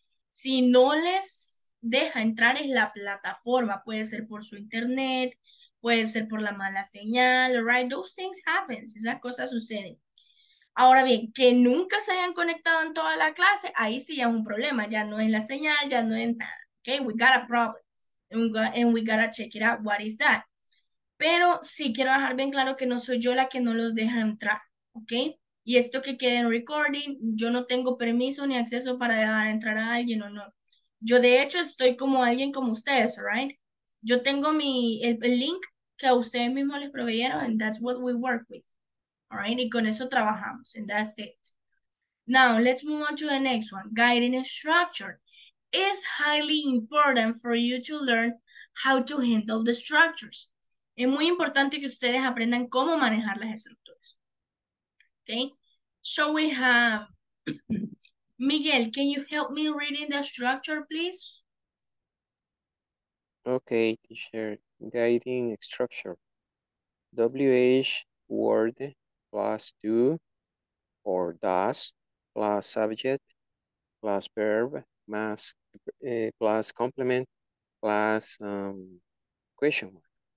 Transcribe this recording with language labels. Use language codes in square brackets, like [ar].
[es] Si no les deja entrar es la plataforma. Puede ser por su internet, puede ser por la mala señal, right? [en] Those things happen, [es] esas cosas suceden. Ahora bien, que nunca se hayan conectado en toda la clase, ahí sí ya es un problema, ya no es la señal, ya no es nada. [en] Okay, we got a problem. And we got to check it out, what is that? [es] Pero sí quiero dejar bien claro que no soy yo la que no los deja entrar, okay? Y esto que quede en recording, yo no tengo permiso ni acceso para dejar entrar a alguien o no. Yo de hecho estoy como alguien como ustedes, right? Yo tengo el link que a ustedes mismos les proveyeron, [en] and that's what we work with, all right? [es] Y con eso trabajamos, [en] and that's it. Now, let's move on to the next one, guiding structure. It's highly important for you to learn how to handle the structures. [es] Es muy importante que ustedes aprendan cómo manejar las estructuras, okay? [en] So we have, Miguel, can you help me reading the structure, please? Okay, teacher, guiding structure. WH word plus do or does plus subject plus verb plus, plus complement plus question mark.